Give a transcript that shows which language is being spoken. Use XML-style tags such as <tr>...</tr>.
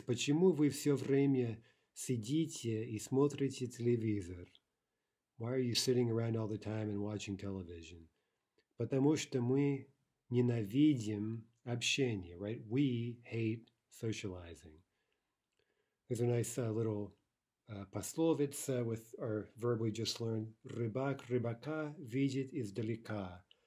<ru>Почему вы все время сидите и смотрите телевизор?</ru> <en>Why are you sitting around all the time and watching television?</en> <ru>Потому что мы ненавидим общение, right?</ru> <en>We hate socializing. There's a nice little пословица with our verb we just learned.</en> <ru>Рыбак рыбака видит издалека.</ru>